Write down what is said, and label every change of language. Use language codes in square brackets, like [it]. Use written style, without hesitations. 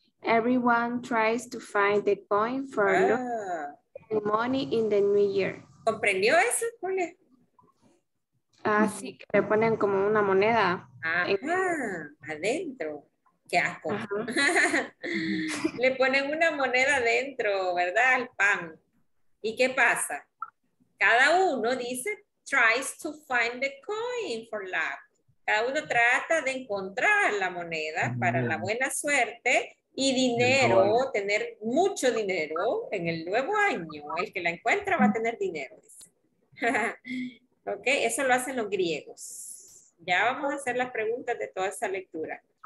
[en] Everyone tries to find the coin for money in the new year. [es] ¿Comprendió eso, Julia? Ah, sí, que le ponen como una moneda. Adentro. Qué asco. Le ponen una moneda adentro, ¿verdad? Al pan. ¿Y qué pasa? [en] Cada uno dice, tries to find the coin for luck. [es] Cada uno trata de encontrar la moneda para la buena suerte. Y dinero, tener mucho dinero en el nuevo año. El que la encuentra va a tener dinero. Ok, eso lo hacen los griegos. Ya vamos a hacer las preguntas de toda esa lectura.